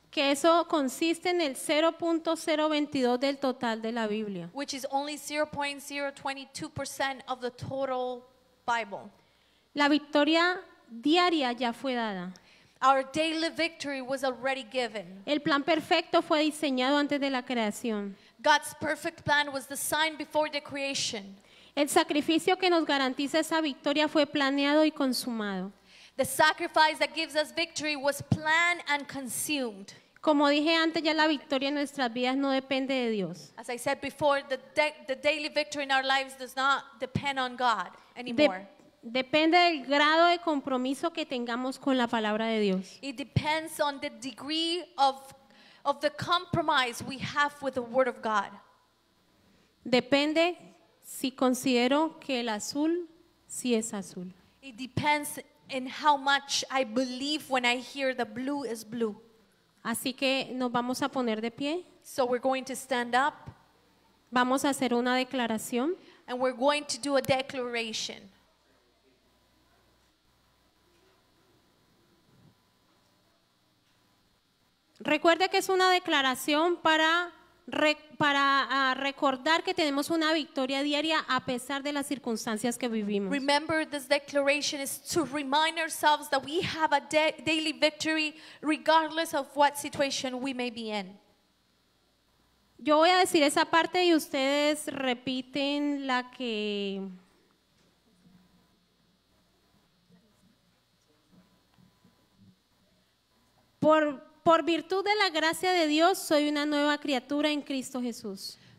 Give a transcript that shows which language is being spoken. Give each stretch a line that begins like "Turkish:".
Spanish: Que eso consiste en el 0.022 del total de la Biblia.
English: Which is only 0.022% of the total Bible.
Spanish: La victoria diaria ya fue dada.
English: Our daily victory was already given.
Spanish: El plan perfecto fue diseñado antes de la creación.
English: God's perfect plan was designed before the creation.
Spanish: El sacrificio que nos garantiza esa victoria fue planeado y consumado.
English: The sacrifice that gives us victory was planned and consumed.
Spanish: Como dije antes, ya la victoria en nuestras vidas no depende de Dios.
English: As I said before, the daily victory in our lives does not depend on God anymore.
Spanish: Depende del grado de compromiso que tengamos con la palabra de Dios.
English: It depends on the degree of the compromise we have with the word of God.
Spanish: Depende si considero que el azul sí es azul.
English: It depends in how much I believe when I hear the blue is blue.
Spanish: Así que nos vamos a poner de pie.
English: So we're going to stand up.
Spanish: Vamos a hacer una declaración.
English: And we're going to do a declaration.
Spanish: Recuerde que es una declaración para recordar que tenemos una victoria diaria a pesar de las circunstancias que vivimos.
English: Remember, this declaration is to remind ourselves that we have a daily victory regardless of what situation we may be in.
Spanish: Yo voy a decir esa parte y ustedes repiten la que... Por virtud de la gracia de Dios, soy una nueva criatura en Cristo Jesús.